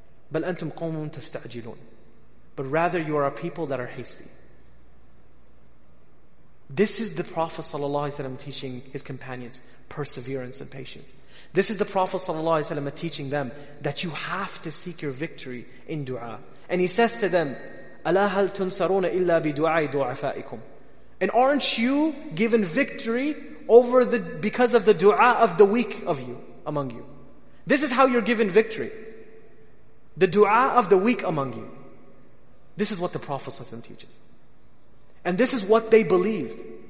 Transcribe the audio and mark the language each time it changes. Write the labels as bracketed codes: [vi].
[ar] بَلْ أَنْتُمْ قَوْمٌ تَسْتَعْجِلُونَ. [en] But rather you are a people that are hasty. This is the Prophet ﷺ teaching his companions perseverance and patience. This is the Prophet ﷺ teaching them that you have to seek your victory in dua. And he says to them, [ar] أَلَا هَلْ تُنْصَرُونَ إِلَّا بِدُعَاءِ دُعَفَائِكُمْ. [en] And aren't you given victory over the because of the dua of the weak of you, among you? This is how you're given victory. The dua of the weak among you. This is what the Prophet ﷺ teaches. And this is what they believed.